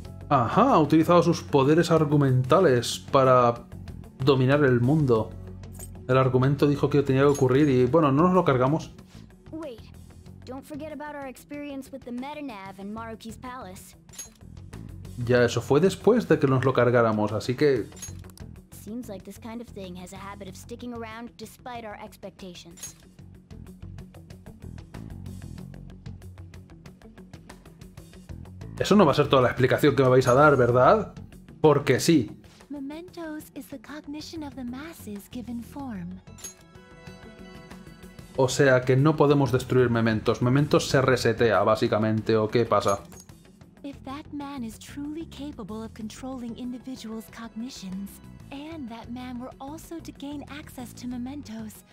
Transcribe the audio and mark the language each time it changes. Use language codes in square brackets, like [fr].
[es] Ajá, ha utilizado sus poderes argumentales para dominar el mundo. El argumento dijo que tenía que ocurrir y bueno, no nos lo cargamos. [en] Wait, don't forget about our experience with the Metanav and Maruki's palace. [es] Ya, eso fue después de que nos lo cargáramos, así que... [en] Seems like this kind of thing has a habit of sticking around despite our expectations. [es] Eso no va a ser toda la explicación que me vais a dar, ¿verdad? Porque sí. [en] Mementos is the cognition of the masses given form. [es] O sea que no podemos destruir mementos. Mementos se resetea, básicamente, ¿o qué pasa? [en] If that man is truly capable of controlling individuals' cognitions, and that man were also to gain access to mementos,